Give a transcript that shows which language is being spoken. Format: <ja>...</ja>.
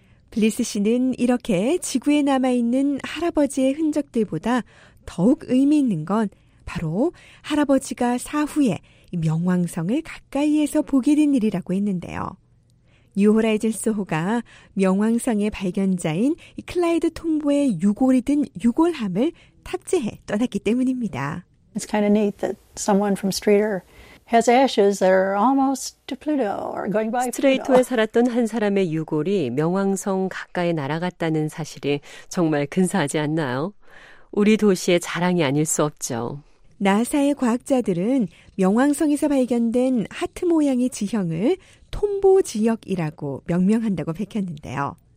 <ko>블리스 씨는 이렇게 지구에 남아있는 할아버지의 흔적들보다 더욱 의미 있는 건 바로 할아버지가 사후에 명왕성을 가까이에서 보게 된 일이라고 했는데요. 뉴호라이즌스호가 명왕성의 발견자인 클라이드 톰보의 유골이든 유골함을 탑재해 떠났기 때문입니다.</ko> <en>It's kind of neat that someone from Streeter has ashes that are almost to Pluto or going by.</en> <ko>스트레이토에 살았던 한 사람의 유골이 명왕성 가까이 날아갔다는 사실이 정말 근사하지 않나요? 우리 도시의 자랑이 아닐 수 없죠. 나사의 과학자들은 명왕성에서 발견된 하트 모양의 지형을 톰보 지역이라고 명명한다고 밝혔는데요.</ko>